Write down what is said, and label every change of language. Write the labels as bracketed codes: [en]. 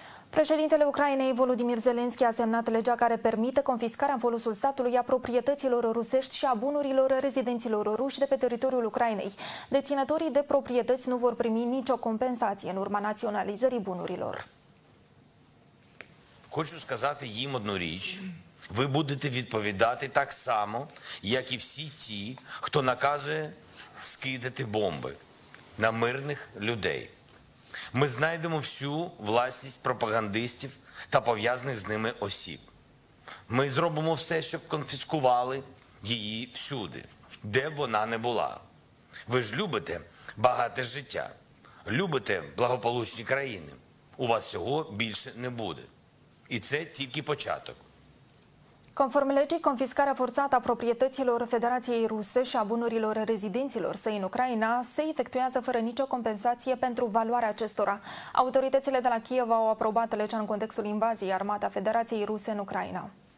[ro] Președintele Ucrainei, Volodymyr Zelensky, a semnat legea care permite confiscarea în folosul statului a proprietăților rusești și a bunurilor rezidenților ruși de pe teritoriul Ucrainei. Deținătorii de proprietăți nu vor primi nicio compensație în urma naționalizării bunurilor. [uk] Хочу сказати їм одну річ. Ви будете відповідати так само, як і всі ті, хто наказує скидати бомби на мирних людей. Ми знайдемо всю власність пропагандистів та пов'язаних з ними осіб. Ми зробимо все, щоб конфіскували її всюди, де б вона не була. Ви ж любите багате життя, любите благополучні країни. У вас цього більше не буде. І це тільки початок. [ro] Conform legii, confiscarea forțată a proprietăților Federației Ruse și a bunurilor rezidenților săi în Ucraina se efectuează fără nicio compensație pentru valoarea acestora. Autoritățile de la Kiev au aprobat legea în contextul invaziei armate a Federației Ruse în Ucraina.